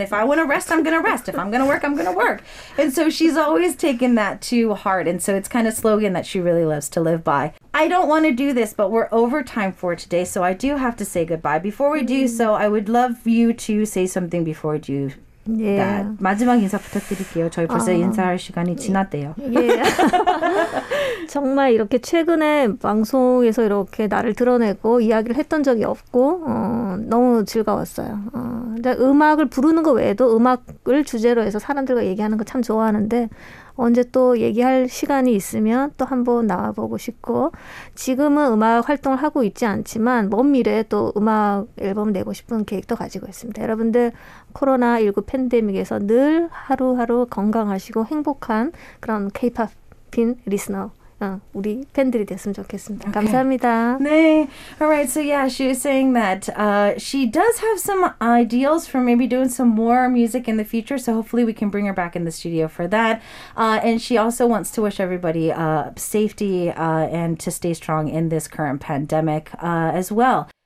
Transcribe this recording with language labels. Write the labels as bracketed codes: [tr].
[en] If I want to rest, I'm going to rest. If I'm going to work, I'm going to work. And so she's always taken that to heart. And so it's kind of slogan that she really loves to live by. I don't want to do this, but we're over time for today. So I do have to say goodbye. Before we do so, I would love you to say something before you do yeah. that. [ko] 마지막 인사 부탁드릴게요. 저희 벌써 인사할 시간이 지났대요. [en] Yeah. [ko] 정말 이렇게 최근에 방송에서 이렇게 나를 드러내고 이야기를 했던 적이 없고 너무 즐거웠어요. 음악을 부르는 거 외에도 음악을 주제로 해서 사람들과 얘기하는 거 참 좋아하는데 언제 또 얘기할 시간이 있으면 또 한번 나와보고 싶고 지금은 음악 활동을 하고 있지 않지만 먼 미래에 또 음악 앨범 내고 싶은 계획도 가지고 있습니다. 여러분들 코로나19 팬데믹에서 늘 하루하루 건강하시고 행복한 그런 K-POP 핀 리스너 우리 팬들이 됐으면 좋겠습니다. [en] Okay. [ko] 감사합니다. [en] 네. All right. So yeah, she was saying that she does have some ideals for maybe doing some more music in the future. So hopefully we can bring her back in the studio for that. And she also wants to wish everybody safety and to stay strong in this current pandemic as well.